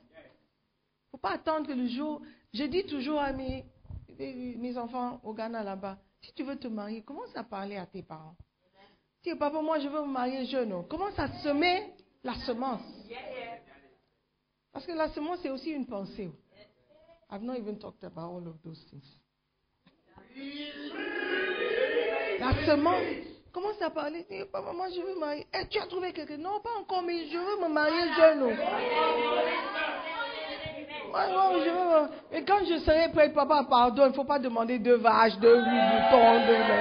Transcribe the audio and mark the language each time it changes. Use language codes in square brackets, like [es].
[fr] Il ne faut pas attendre que le jour... Je dis toujours à mes enfants au Ghana là-bas, si tu veux te marier, commence à parler à tes parents. Si papa, moi je veux me marier jeune, commence à semer la semence. Parce que la semence, c'est aussi une pensée. [en] I've not even talked about all of those things. [fr] La semence. Commence à parler. Dis, papa, moi, je veux me marier. Et tu as trouvé quelqu'un? Non, pas encore, mais je veux me marier jeune. Ouais, non, je veux. Mais quand je serai prêt, papa, pardon, il ne faut pas demander deux vaches, deux moutons, deux.